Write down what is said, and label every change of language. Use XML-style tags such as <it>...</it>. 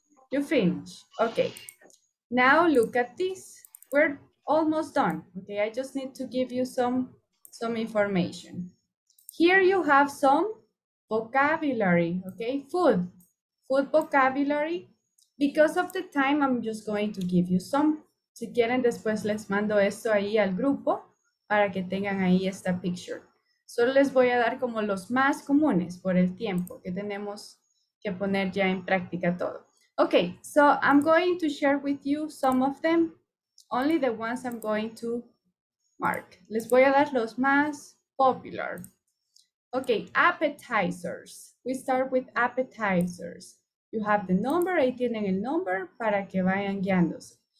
<en>You finish. Okay. Now look at this. We're almost done. Okay, I just need to give you some information. Here you have some vocabulary, okay? Food vocabulary. Because of the time, I'm just going to give you some.</en> <es>Si quieren, después les mando esto ahí al grupo para que tengan ahí esta picture. Solo les voy a dar como los más comunes por el tiempo que tenemos que poner ya en práctica todo.</es> <en>Okay, so I'm going to share with you some of them. Only the ones I'm going to mark.</en> <es>Les voy a dar los más popular.</es> <en>Okay, appetizers. We start with appetizers. You have the number,</en> <es>ahí tienen el number para que vayan guiándose.</es>